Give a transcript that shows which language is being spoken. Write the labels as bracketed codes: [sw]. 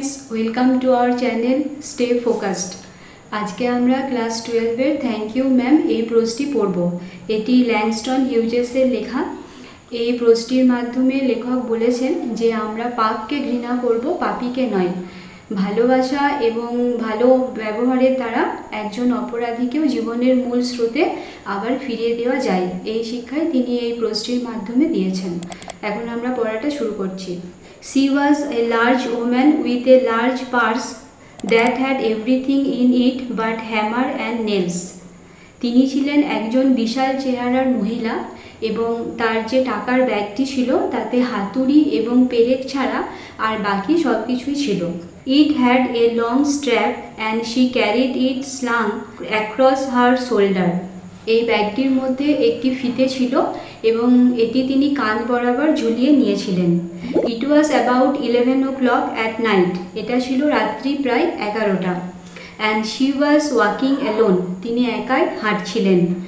[en] Welcome to our channel Stay Focused. [bn] আজকে আমরা class 12 এর থ্যাংক ইউ ম্যাম এই প্রশ্নটি পড়ব। এটি ল্যাংস্টন হিউজেস এর লেখা। এই প্রশ্নটির মাধ্যমে লেখক বলেছেন যে আমরা পাপকে ঘৃণা করব, পাপীকে নয়। ভালোবাসা এবং ভালো ব্যবহারের দ্বারা একজন অপরাধীকেও জীবনের মূল স্রোতে আবার ফিরিয়ে দেওয়া যায়, এই শিক্ষাই তিনি এই প্রশ্নটির মাধ্যমে দিয়েছেন। এখন আমরা পড়াটা শুরু করছি। [en] She was a large woman with a large purse that had everything in it but hammer and nails. [bn] তিনি ছিলেন একজন বিশাল চেহারার মহিলা এবং তার যে টাকার ব্যাগটি ছিল তাতে হাতুড়ি এবং পেরেক ছাড়া আর বাকি সব কিছুই ছিল। [en] It had a long strap and she carried it slung across her shoulder. [bn] এই ব্যাগটির মধ্যে একটি ফিতে ছিল এবং এটি তিনি কান বরাবর ঝুলিয়ে নিয়েছিলেন। [en] it was about 11 o'clock at night, [bn] এটা ছিল রাত্রি প্রায় 11টা। [en] and she was walking alone, [bn] তিনি একাই হাঁটছিলেন।